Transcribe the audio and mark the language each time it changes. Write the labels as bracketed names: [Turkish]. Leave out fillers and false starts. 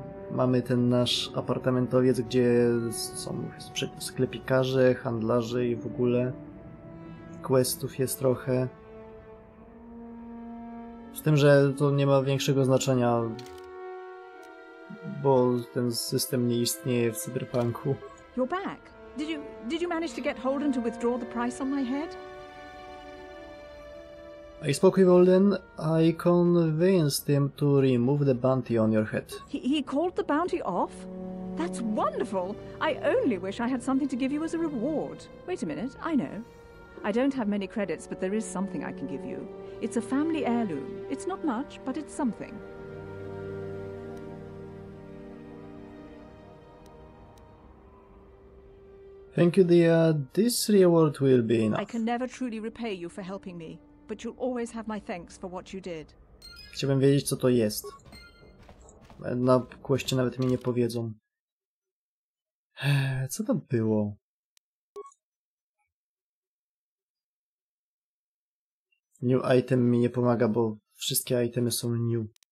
[Polish] Mamy ten nasz apartamentowiec, gdzie są sklepikarze, handlarze i w ogóle. Questów jest trochę. Z tym, że to nie ma większego znaczenia, bo ten system nie istnieje w Cyberpunku. [English] You're back. Did you manage to get Holden to withdraw the price on my head? I spoke with Holden. I convinced him to remove the bounty on your head. He called the bounty off? That's wonderful. I only wish I had something to give you as a reward. Wait a minute. I know. I don't have many credits, but there is something I can give you. It's a family heirloom. It's not much, but it's something. Thank you, Dia. This reward will be enough. I can never truly repay you for helping me, but you'll always have my thanks for what you did. [Polish] Chciałbym wiedzieć, co to jest. Na kwestie nawet mi nie powiedzą. Co to było? New item mi nie pomaga, bo wszystkie itemy są new.